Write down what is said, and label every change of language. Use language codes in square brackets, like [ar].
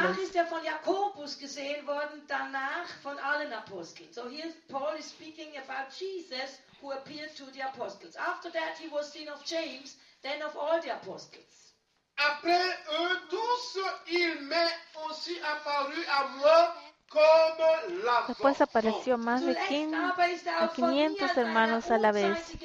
[de] Danach ist er von Jakobus gesehen worden, danach von allen Aposteln. [en] So here Paul is speaking about Jesus, who appeared to the apostles. After that he was seen of James, then of all the apostles. [fr] Après eux tous, il m'est aussi apparu à moi comme la voix. [es] Después apareció más de 500 hermanos a la vez.